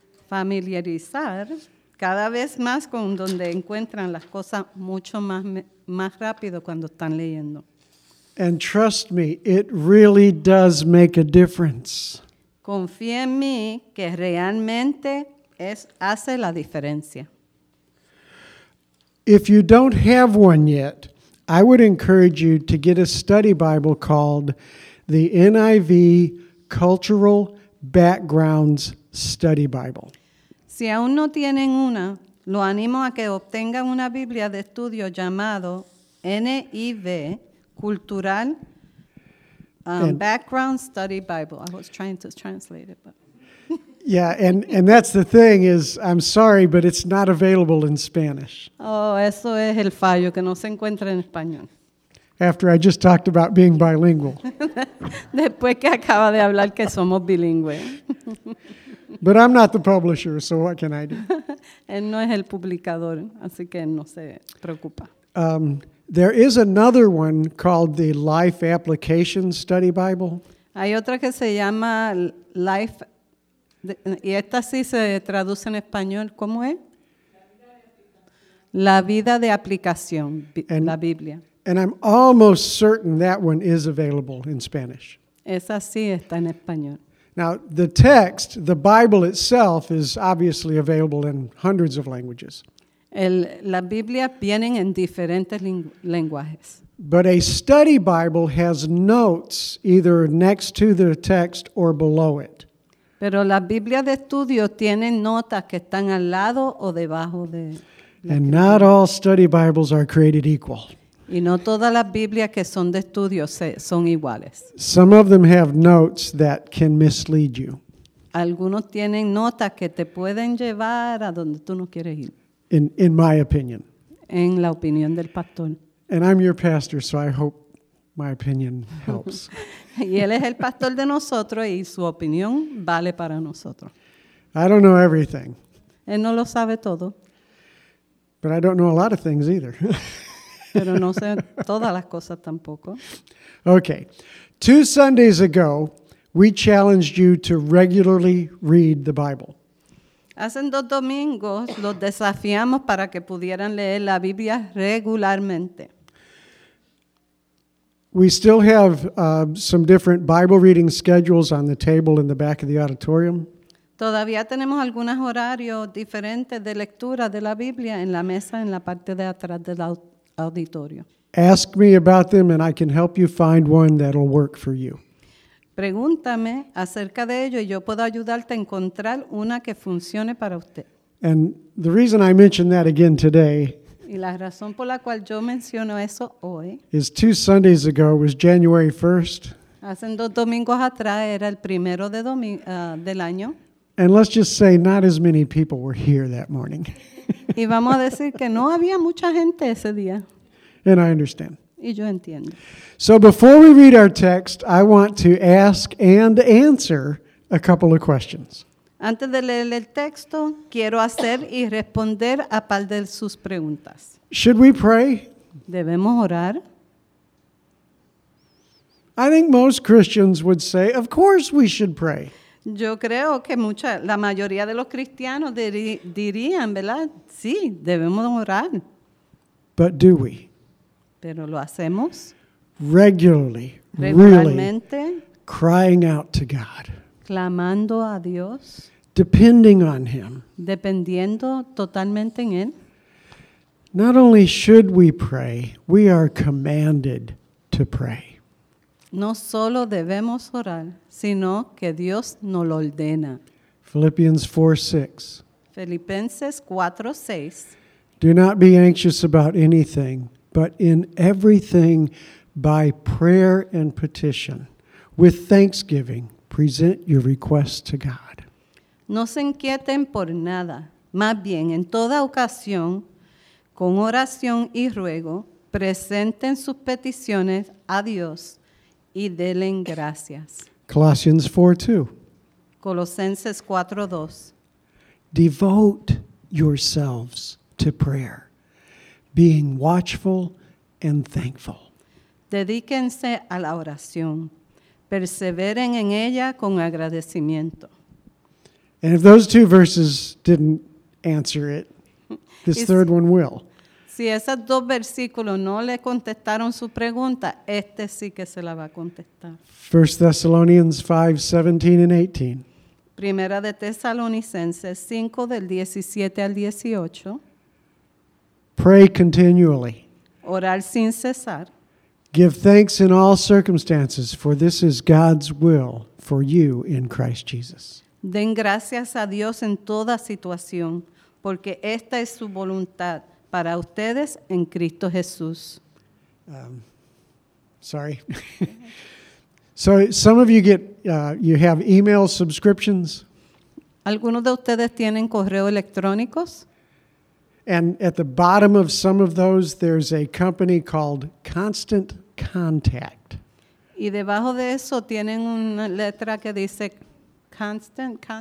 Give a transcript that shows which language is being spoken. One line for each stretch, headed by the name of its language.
Spanish: familiarizar cada vez más con donde encuentran las cosas mucho más, más rápido cuando están leyendo.
English: And trust me, it really does make a difference.
Spanish: Confía en mí que realmente es, hace la diferencia.
English: If you don't have one yet, I would encourage you to get a study Bible called the NIV Cultural Backgrounds Study Bible.
Spanish: Si aún no tienen una, lo animo a que obtengan una Biblia de estudio llamado NIV Cultural Background Study Bible.
English: I was trying to translate it, but yeah, and that's the thing is, I'm sorry, but it's not available in Spanish.
Spanish: Oh, eso es el fallo, que no se encuentra en español.
English: After I just talked about being bilingual.
Spanish: Después que acaba de hablar que somos bilingües.
English: But I'm not the publisher, so what can I do?
Spanish: Él no es el publicador, así que no se preocupa.
English: There is another one called the Life Application Study Bible.
Spanish: Hay otra que se llama Life. Y esta sí se traduce en español, ¿cómo es? La vida de aplicación, and, la Biblia.
English: And I'm almost certain that one is available in Spanish.
Spanish: Esa sí está en español.
English: Now, the text, the Bible itself, is obviously available in hundreds of languages.
Spanish: Las Biblias vienen en diferentes lenguajes.
English: But a study Bible has notes either next to the text or below it.
Spanish: Pero las Biblias de estudio tienen notas que están al lado o debajo de.
English: And not all study Bibles are created equal.
Spanish: Y no todas las Biblias que son de estudio son iguales.
English: Some of them have notes that can mislead you.
Spanish: Algunos tienen notas que te pueden llevar a donde tú no quieres ir.
English: In my opinion.
Spanish: En la opinión del pastor.
English: And I'm your pastor, so I hope my opinion helps.
Spanish: Y él es el pastor de nosotros y su opinión vale para nosotros.
English: I don't know everything.
Spanish: Él no lo sabe todo.
English: But I don't know a lot of things either.
Spanish: Pero no sé todas las cosas tampoco.
English: Okay. Two Sundays ago, we challenged you to regularly read the Bible.
Spanish: Hace dos domingos los desafiamos para que pudieran leer la Biblia regularmente.
English: We still have some different Bible reading schedules on the table in the back of the auditorium.
Spanish: Todavía tenemos algunos horarios diferentes de lectura de la Biblia en la mesa en la parte de atrás del auditorio.
English: Ask me about them and I can help you find one that'll work for you.
Spanish: Pregúntame acerca de ello y yo puedo ayudarte a encontrar una que funcione para usted.
English: And the reason I mention that again today.
Spanish: Y la razón por la cual yo menciono eso hoy.
English: Is two Sundays ago, it was January 1st.
Spanish: Hace dos domingos atrás, era el primero de del año.
English: And let's just say not as many people were here that morning.
Spanish: Y vamos a decir que no había mucha gente ese día.
English: And I understand.
Spanish: Y yo entiendo.
English: So before we read our text, I want to ask and answer a couple of questions.
Spanish: Antes de leer el texto, quiero hacer y responder a par de sus preguntas.
English: Should we pray?
Spanish: ¿Debemos orar?
English: I think most Christians would say, of course we should pray.
Spanish: Yo creo que la mayoría de los cristianos dirían, ¿verdad? Sí, debemos orar.
English: But do we?
Spanish: ¿Pero lo hacemos?
English: Regularly,
Spanish: regularmente,
English: really, crying out to God.
Spanish: Clamando a Dios.
English: Depending on Him.
Spanish: Dependiendo totalmente en Él.
English: Not only should we pray, we are commanded to pray.
Spanish: No solo debemos orar, sino que Dios nos lo ordena.
English: Philippians 4:6.
Spanish: Filipenses 4:6.
English: Do not be anxious about anything, but in everything, by prayer and petition, with thanksgiving, present your request to God.
Spanish: No se inquieten por nada. Más bien, en toda ocasión, con oración y ruego, presenten sus peticiones a Dios y denle gracias.
English: Colossians 4:2.
Spanish: Colosenses 4:2.
English: Devote yourselves to prayer, being watchful and thankful.
Spanish: Dedíquense a la oración. Perseveren en ella con agradecimiento.
English: And if those two verses didn't answer it, this third one will.
Spanish: Si esos dos versículos no le contestaron su pregunta, este sí que se la va a contestar.
English: 1 Thessalonians 5:17-18.
Spanish: Primera de Tesalonicenses 5, del 17 al 18.
English: Pray continually.
Spanish: Orar sin cesar.
English: Give thanks in all circumstances, for this is God's will for you in Christ Jesus.
Spanish: Den gracias a Dios en toda situación, porque esta es su voluntad para ustedes en Cristo Jesús.
English: Sorry. So some of you get, you have email subscriptions.
Spanish: ¿Algunos de ustedes tienen correo electrónicos?
English: And at the bottom of some of those, there's a company called Constant Contact.
Spanish: Y debajo de eso tienen una letra que dice Constant.